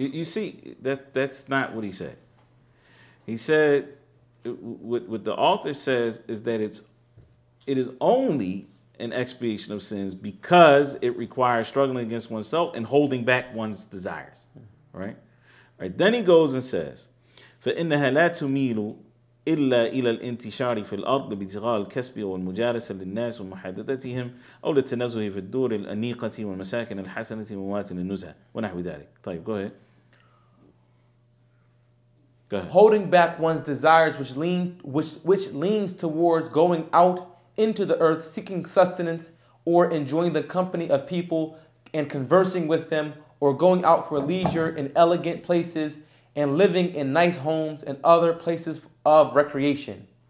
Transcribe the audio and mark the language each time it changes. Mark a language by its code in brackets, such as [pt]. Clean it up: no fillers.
[en] You see, that's not what he said. He said, what the author says is that it is only an expiation of sins because it requires struggling against oneself and holding back one's desires. Right? All right. Then he goes and says, [ar] فَإِنَّهَا لَا تُمِيلُ إِلَّا إِلَى الْإِنْتِشَارِ فِي الْأَرْضِ بِتِغَالِ الْكَسْبِ وَالْمُجَارَسَ لِلنَّاسِ وَمُحَادَثَتِهِمْ أَوْ لِلتَّنَزُهِ فِي الدُّورِ الْأَنِيقَةِ وَالْمَسَاكِنِ الْحَسَنَةِ وَمَوَاتِنِ النُّزْهَةِ وَنَحْوِ ذَلِكَ. [en] طيب, go ahead. Go ahead. Holding back one's desires which leans towards going out into the earth, seeking sustenance, or enjoying the company of people and conversing with them, or going out for leisure in elegant places and living in nice homes and other places of recreation.